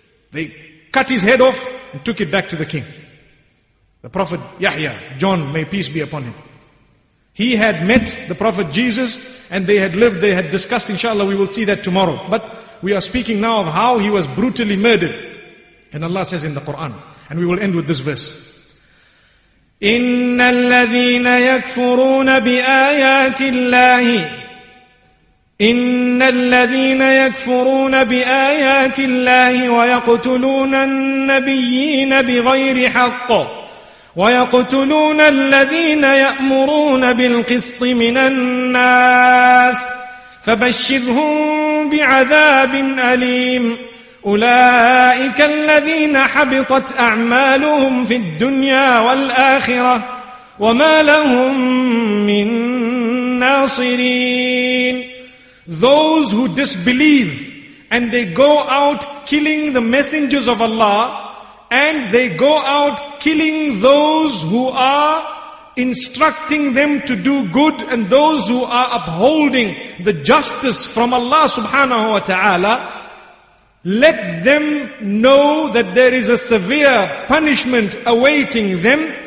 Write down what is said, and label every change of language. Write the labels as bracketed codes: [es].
[en] They cut his head off and took it back to the king. The Prophet Yahya, John, may peace be upon him. He had met the Prophet Jesus and they had lived, they had discussed, inshallah, we will see that tomorrow. But we are speaking now of how he was brutally murdered. And Allah says in the Quran, and we will end with this verse. [ar] إِنَّ الَّذِينَ يَكْفُرُونَ بِآيَاتِ اللَّهِ إِنَّ الَّذِينَ يَكْفُرُونَ بِآيَاتِ اللَّهِ وَيَقْتُلُونَ النَّبِيِّينَ بِغَيْرِ حَقٍّ ويقتلون الذين يأمرون بالقسط من الناس فبشرهم بعذاب أليم أولئك الذين حبطت أعمالهم في الدنيا والآخرة وما لهم من ناصرين. [en] Those who disbelieve and they go out killing the messengers of Allah, and they go out killing those who are instructing them to do good and those who are upholding the justice from Allah subhanahu wa ta'ala, let them know that there is a severe punishment awaiting them